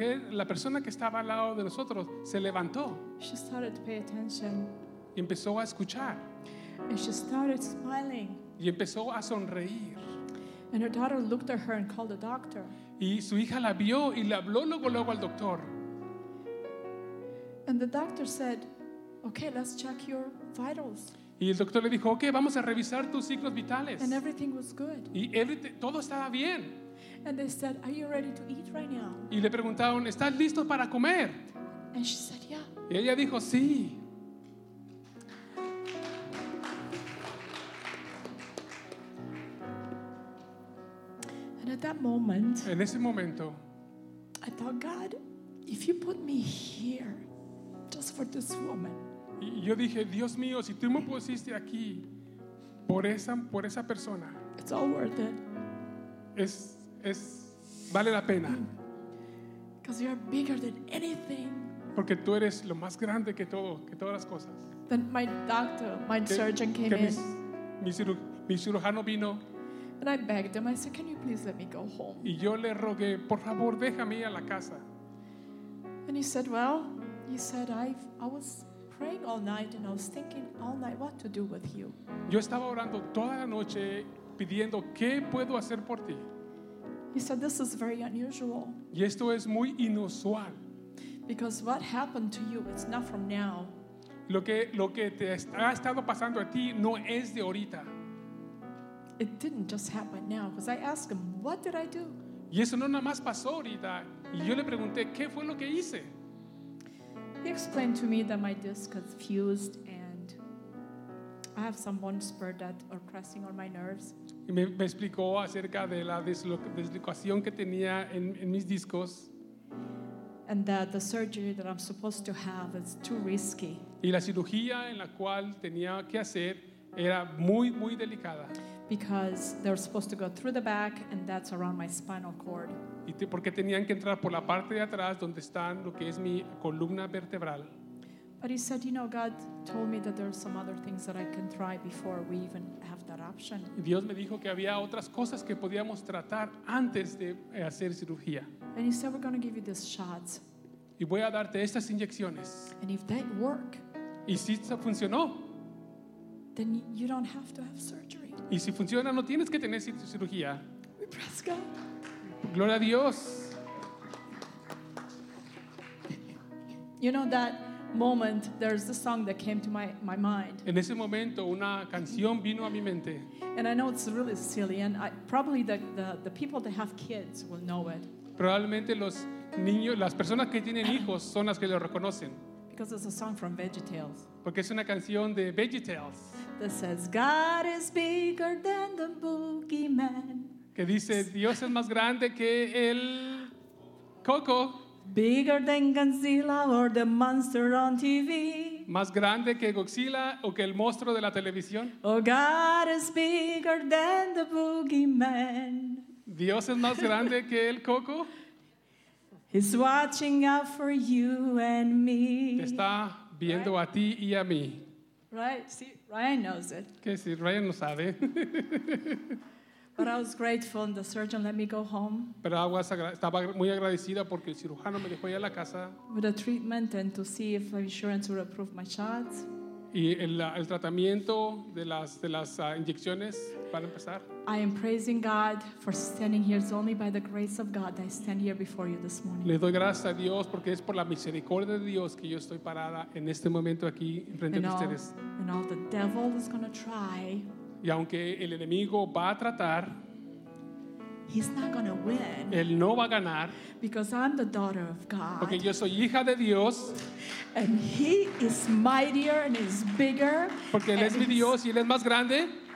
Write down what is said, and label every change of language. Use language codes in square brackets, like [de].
[es] La persona que estaba al lado de nosotros se levantó. [en] She started to pay attention. [es] Y empezó a escuchar. [en] And she started smiling. [es] Y empezó a sonreír. [en] And her daughter looked at her and called the doctor. [es] Y su hija la vio y le habló luego al doctor. [en] And the doctor said, okay, let's check your vitals. [es] Y el doctor le dijo, okay, vamos a revisar tus ciclos vitales. [en] And everything was good. [es] Y todo estaba bien. [en] And they said, are you ready to eat right now? [es] Y le preguntaron, ¿estás listo para comer? [en] And she said, yeah. [es] Y ella dijo, sí. [en] At that moment, [es] en ese momento, [en] I thought, God, If you put me here just for this woman. [es] Y yo dije, Dios mío, si tú me pusiste aquí por esa persona. [en] It's all worth it. [es] Es vale la pena. [en] Because you're bigger than anything. [es] Porque tú eres lo más grande que todo, que todas las cosas. [en] Then my doctor, my surgeon came in. [es] Mi cirujano vino. [en] And I begged him. I said, "Can you please let me go home?" [es] Y yo le rogué, por favor, déjame ir a la casa. [en] And he said, "Well, he said I was praying all night and I was thinking all night what to do with you." [es] Yo estaba orando toda la noche pidiendo qué puedo hacer por ti. [en] He said, "This is very unusual." [es] Y esto es muy inusual. [en] Because what happened to you, it's not from now. [es] Lo que te ha estado pasando a ti no es de ahorita. [en] It didn't just happen now, because I asked him, "What did I do?" [es] Y eso no nada más pasó ahorita. Y yo le pregunté, ¿qué fue lo que hice? [en] He explained to me that my disc had fused and I have some bone spur that are pressing on my nerves. [es] Y me explicó acerca de la dislocación que tenía en mis discos. [en] And that the surgery that I'm supposed to have is too risky. [es] Y la cirugía en la cual tenía que hacer era muy, muy delicada. [en] Because they're supposed to go through the back and that's around my spinal cord. [es] Y porque tenían que entrar por la parte de atrás donde están lo que es mi columna vertebral. [en] But he said, you know, God told me that there are some other things that I can try before we even have that option. [es] Y Dios me dijo que había otras cosas que podíamos tratar antes de hacer cirugía. [en] And he said, we're going to give you these shots. [es] Y voy a darte estas inyecciones. [en] And if they work, [es] y si eso funcionó, [en] then you don't have to have surgery. [es] Y si funciona, no tienes que tener cirugía. [en] We praise God. [es] Gloria a Dios. [en] You know that moment, there's a song that came to my mind. [es] En ese momento, una canción vino a mi mente. [en] And I know it's really silly, and probably the people that have kids will know it. [es] Probablemente los niños, las personas que tienen hijos, son las que lo reconocen. [en] Because it's a song from VeggieTales. [es] Porque es una canción de VeggieTales. [en] That says, God is bigger than the boogeyman. [es] Que dice, Dios es más grande que el Coco. [en] Bigger than Godzilla or the monster on TV. [es] Más grande que Godzilla o que el monstruo de la televisión. [en] Oh, God is bigger than the boogeyman. [es] Dios es más grande que el Coco. [en] He's watching out for you and me. [es] Te está viendo, right? A ti y a mí. [en] Right? See, Ryan knows it. [es] ¿Qué? Sí, Ryan lo sabe. [en] But I was grateful and the surgeon let me go home. [es] Pero estaba muy agradecida porque el cirujano me dejó ir a la casa. [en] With a treatment and to see if insurance would approve my shots. [es] Y el tratamiento de las inyecciones para empezar. [en] I am praising God for standing here. It's only by the grace of God that I stand here before you this morning. [es] Le doy gracias a Dios porque es por la misericordia de Dios que yo estoy parada en este momento aquí frente a ustedes. [en] And all the devil is going to try. [es] Y aunque el enemigo va a tratar, [en] he's not going to win. [es] Él no va a ganar. [en] Because I'm the daughter of God. [es] Porque yo soy hija de Dios. [en] And he is mightier and is bigger. [es] Porque él es mi Dios y él es más grande.